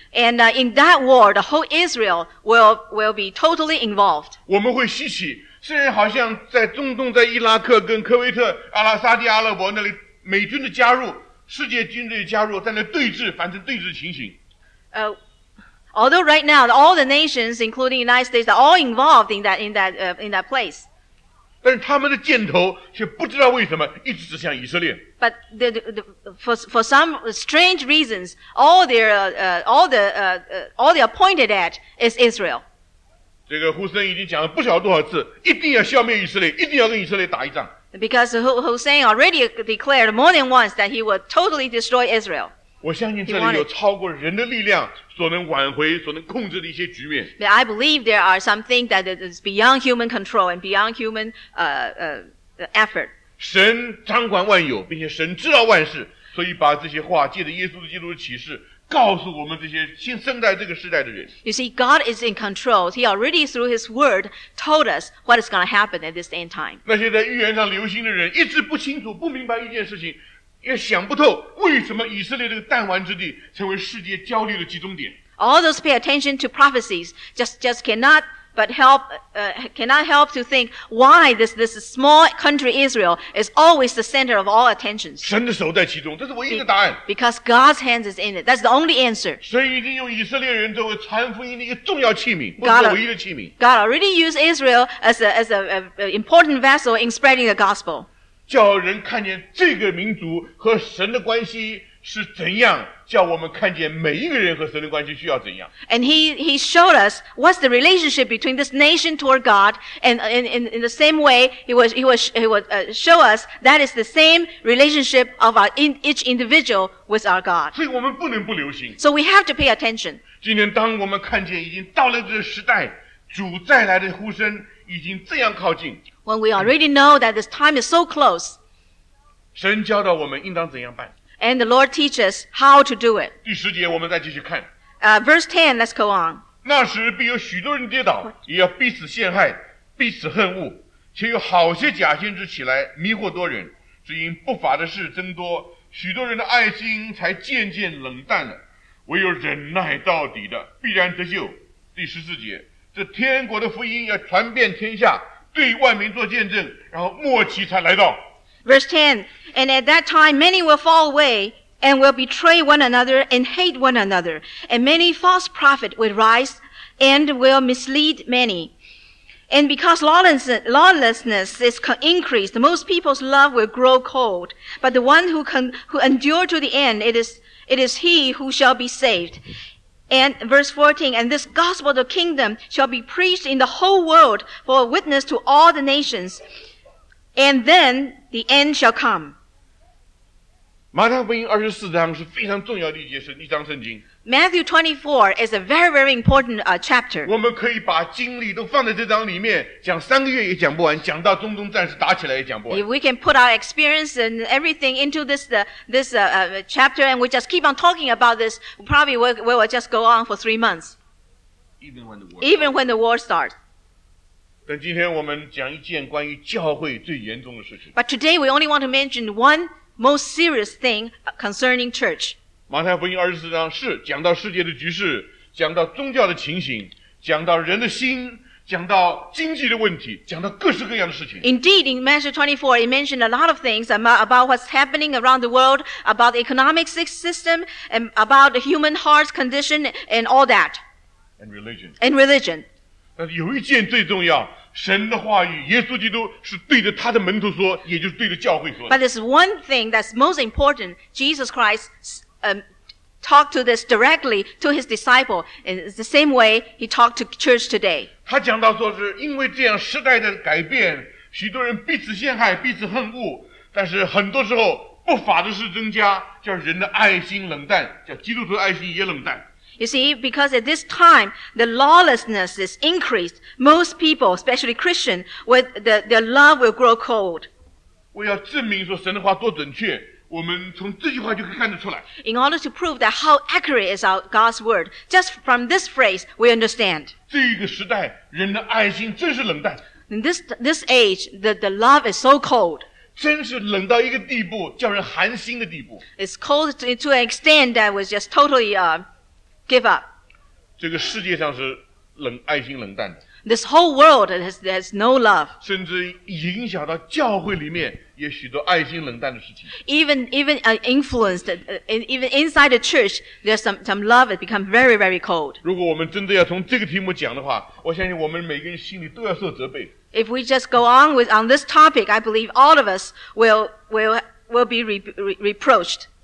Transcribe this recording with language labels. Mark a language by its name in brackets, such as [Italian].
[English] And in that war, the whole Israel will be totally involved. [Chinese] 我们会吸取，虽然好像在中东、在伊拉克跟科威特、阿拉沙迪阿拉伯那里，美军的加入、世界军队的加入，在那对峙，反正对峙的情形。 [English] Although right now all the nations, including United States, are all involved in that place. [Chinese] 但是他们的箭头却不知道为什么一直指向以色列。 [English] But for some strange reasons, all they are pointed at is Israel. [Chinese] 这个胡森已经讲了不晓得多少次，一定要消灭以色列，一定要跟以色列打一仗。 [English] Because Hussein already declared more than once that he would totally destroy Israel. [Chinese] 我相信这里有超过人的力量所能挽回、所能控制的一些局面。 [English] But I believe there are some things that is beyond human control and beyond human effort. [Chinese] 神掌管万有，并且神知道万事，所以把这些话借着耶稣基督的启示告诉我们这些新生在这个时代的人。 [English] You see, God is in control. He already through His Word told us what is going to happen at this end time. [Chinese] 那些在预言上留心的人一直不清楚、不明白一件事情。也想不透为什么以色列这个弹丸之地成为世界焦虑的集中点。 [English] All those pay attention to prophecies just cannot help to think why this small country Israel is always the center of all attentions. [Chinese] 神的手在其中，这是唯一的答案。 [English] Because God's hands is in it, that's the only answer. [Chinese] 神已经用以色列人作为传福音的一个重要器皿，不是唯一的器皿。 [English] God already used Israel as an important vessel in spreading the gospel. [Chinese] 叫人看见这个民族和神的关系是怎样，叫我们看见每一个人和神的关系需要怎样。 [English] And he showed us what's the relationship between this nation toward God, and in the same way he would show us that is the same relationship of each individual with our God. [Chinese] 所以我们不能不留心。 [English] So we have to pay attention. [Chinese] 今天当我们看见已经到了这个时代，主再来的呼声已经这样靠近。 [English] When we already know that this time is so close, [Chinese] 神教导我们应当怎样办。 [English] And the Lord teaches how to do it. [Chinese] 第十节我们再继续看。 [English] Verse 10, let's go on. [Chinese] 那时必有许多人跌倒，也要彼此陷害，彼此恨恶，且有好些假先知起来迷惑多人，只因不法的事增多，许多人的爱心才渐渐冷淡了。唯有忍耐到底的，必然得救。第十四节，这天国的福音要传遍天下。对万民做见证，然后末期才来到。 [English] Verse 10, and at that time many will fall away and will betray one another and hate one another, and many false prophets will rise and will mislead many. And because lawlessness is increased, most people's love will grow cold. But the one who endure to the end, it is he who shall be saved. And verse 14, and this gospel of the kingdom shall be preached in the whole world for a witness to all the nations. And then the end shall come. [Chinese] 马太福音24章是非常重要的一章圣经。 [English] Matthew 24 is a very, very important chapter. [Chinese] 我们可以把精力都放在这章里面，讲三个月也讲不完，讲到中东战事打起来也讲不完。 [English] If we can put our experience and everything into this chapter and we just keep on talking about this, probably we will just go on for 3 months. Even when the war starts. [Chinese] 但今天我们讲一件关于教会最严重的事情。 [English] But today we only want to mention one most serious thing concerning church. [Chinese] 马太福音二十四章是讲到世界的局势，讲到宗教的情形，讲到人的心，讲到经济的问题，讲到各式各样的事情。 [English] Indeed, in Matthew 24, it mentioned a lot of things about what's happening around the world, about the economic system, and about the human heart's condition, and all that. And religion. And religion. [Chinese] 但有一件最重要，神的话语，耶稣基督是对着他的门徒说，也就是对着教会说。 [English] But there's one thing that's most important, Jesus Christ. Talk to this directly to his disciple in the same way he talked to church today. [Chinese] 他讲到说是因为这样时代的改变，许多人彼此陷害，彼此恨恶，但是很多时候不法的事增加，叫人的爱心冷淡，叫基督徒的爱心也冷淡。 [English] You see, because at this time, the lawlessness is increased. Most people, especially Christian, with their love will grow cold. [Chinese] 我要证明说神的话多准确。我们从这句话就可以看得出来。 [English] In order to prove that how accurate is our God's word, just from this phrase, we understand. [Chinese] 这个时代，人的爱心真是冷淡。 [English] In this age, the love is so cold. [Chinese] 真是冷到一个地步，叫人寒心的地步。 [English] It's cold to an extent that was just totally give up. [Chinese] 这个世界上是冷爱心冷淡的。 [English] This whole world has no love. [Chinese] 甚至影响到教会里面也许多爱心冷淡的事情。 [English] Even inside the church, there's some love that become very, very cold. [Chinese] 如果我们真的要从这个题目讲的话，我相信我们每个人心里都要受责备。 [English] If we just go on with on this topic, I believe all of us will be reproached.